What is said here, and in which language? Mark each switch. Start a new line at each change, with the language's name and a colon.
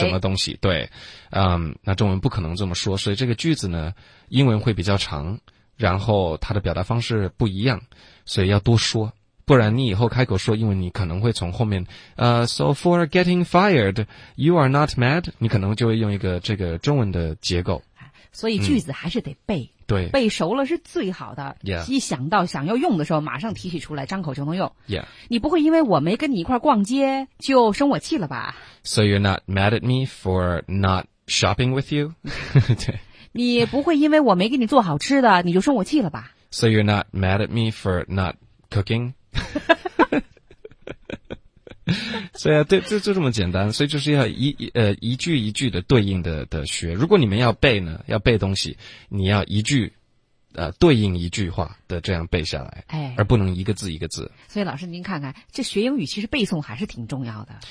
Chinese: 什么东西？对，那中文不可能这么说，所以这个句子呢，英文会比较长，然后它的表达方式不一样，所以要多说，不然你以后开口说英文，你可能会从后面
English: So for getting fired, you are not mad,
Chinese: 你可能就会用一个这个中文的结构。所以句子还是得背，对，背熟了是最好的。
English: Yeah.
Chinese: 一想到想要用的时候，马上提起出来，张口就能用。
English: Yeah.
Chinese: 你不会因为我没跟你一块逛街就生我气了吧
English: ？So you're not mad at me for not shopping with you？
Chinese: 对，你不会因为我没给你做好吃的你就生我气了吧
English: ？So you're not mad at me for not cooking？
Chinese: 所以啊，对，就这么简单，所以就是要一句一句的对应的学。如果你们要背呢，要背东西，你要一句对应一句话的这样背下来，哎，而不能一个字一个字。所以老师您看看，这学英语其实背诵还是挺重要的，